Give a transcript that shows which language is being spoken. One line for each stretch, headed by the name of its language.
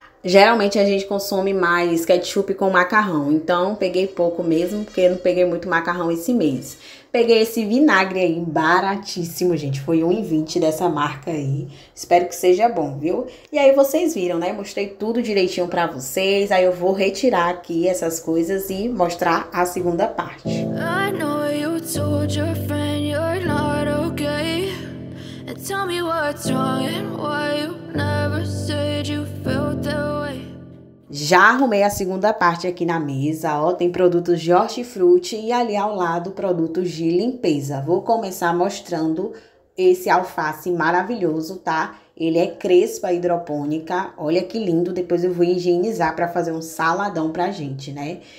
Portuguese: Geralmente a gente consome mais ketchup com macarrão, então peguei pouco mesmo, porque não peguei muito macarrão esse mês. Peguei esse vinagre aí, baratíssimo, gente, foi R$ 1,20 dessa marca aí. Espero que seja bom, viu? E aí vocês viram, né? Mostrei tudo direitinho para vocês. Aí eu vou retirar aqui essas coisas e mostrar a segunda parte.
English: I know you told your friend you're not okay. And tell me what's wrong and why you never said you felt that way.
Portuguese: Já arrumei a segunda parte aqui na mesa, ó, tem produtos de hortifruti e ali ao lado produtos de limpeza. Vou começar mostrando esse alface maravilhoso, tá? Ele é crespa hidropônica, olha que lindo, depois eu vou higienizar para fazer um saladão pra gente, né?